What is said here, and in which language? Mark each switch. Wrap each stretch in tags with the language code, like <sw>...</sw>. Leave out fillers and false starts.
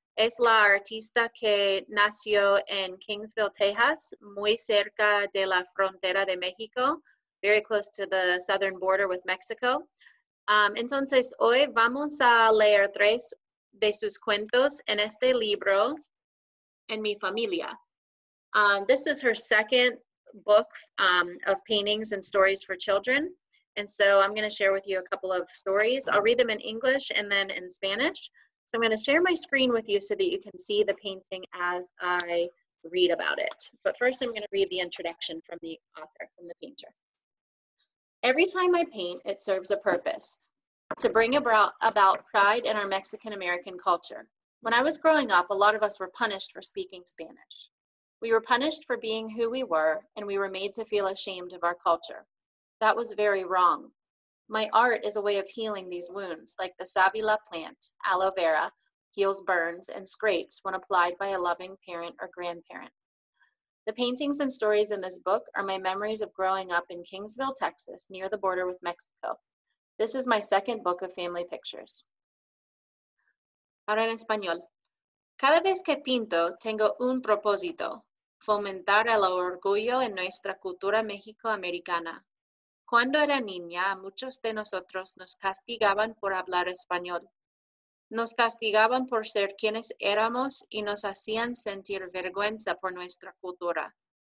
<es>Es la artista que nació en Kingsville, Texas, muy cerca de la frontera de México,</es> <en>very close to the southern border with Mexico.</en> <es>Entonces, hoy vamos a leer tres de sus cuentos en este libro, En Mi Familia.</es> <en>This is her second book of paintings and stories for children. And so I'm going to share with you a couple of stories. I'll read them in English and then in Spanish. So I'm going to share my screen with you so that you can see the painting as I read about it. But first I'm going to read the introduction from the author, from the painter. Every time I paint, it serves a purpose, to bring about pride in our Mexican-American culture. When I was growing up, a lot of us were punished for speaking Spanish. We were punished for being who we were, and we were made to feel ashamed of our culture. That was very wrong. My art is a way of healing these wounds, like the sábila plant, aloe vera, heals burns and scrapes when applied by a loving parent or grandparent. The paintings and stories in this book are my memories of growing up in Kingsville, Texas, near the border with Mexico. This is my second book of family pictures.</en> <es>Ahora en español. Cada vez que pinto, tengo un propósito, fomentar el orgullo en nuestra cultura mexicoamericana. Cuando era niña, muchos de nosotros nos castigaban por hablar español. Nos castigaban por ser quienes éramos y nos hacían sentir vergüenza por nuestra cultura.</es>